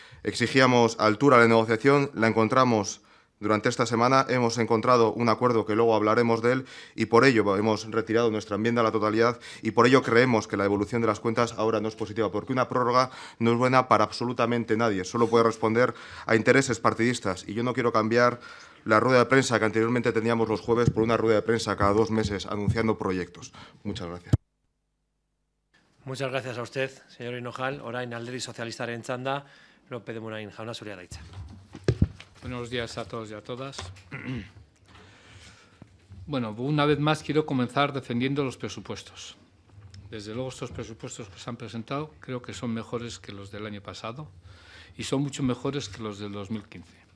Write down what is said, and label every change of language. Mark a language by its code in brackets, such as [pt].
[es] Exigíamos altura a la negociación, la encontramos durante esta semana, hemos encontrado un acuerdo que luego hablaremos de él y por ello hemos retirado nuestra enmienda a la totalidad y por ello creemos que la evolución de las cuentas ahora no es positiva, porque una prórroga no es buena para absolutamente nadie, solo puede responder a intereses partidistas y yo no quiero cambiar la rueda de prensa que anteriormente teníamos los jueves por una rueda de prensa cada dos meses anunciando proyectos. Muchas gracias. Muchas gracias a usted, señor Hinojal. [eu] Orain alderdi sozialistaren txanda, López de Munain jauna zurea da hitza. [es] Buenos días a todos y a todas. Bueno, una vez más quiero comenzar defendiendo los presupuestos. Desde luego estos presupuestos que se han presentado creo que son mejores que los del año pasado y son mucho mejores que los del 2015.